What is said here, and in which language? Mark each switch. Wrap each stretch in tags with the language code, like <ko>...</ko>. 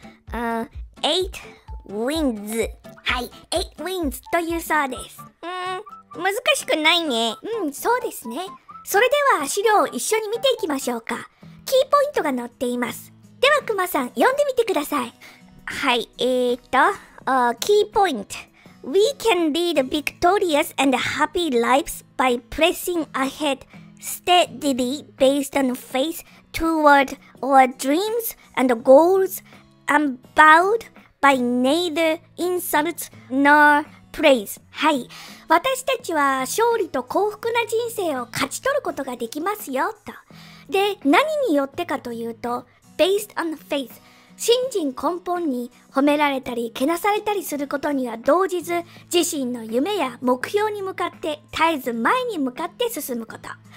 <en>8 winds。</en> <ja>はい、8 winds というそうです。難しくないね。そうですね。それでは資料を一緒に見ていきましょうか。キーポイントが載っています。ではクマさん、読んでみてください。はい、キーポイント。</ja> <en>We can lead victorious and happy lives by pressing aheadsteadily based on faith toward our dreams and goals unbowed by neither insults nor praise.</en> <ja>はい、私たちは勝利と幸福な人生を勝ち取ることができますよと。で、何によってかというと、 based on faith、 信心根本に褒められたりけなされたりすることには動じず、自身の夢や目標に向かって絶えず前に向かって進むこと。</ja>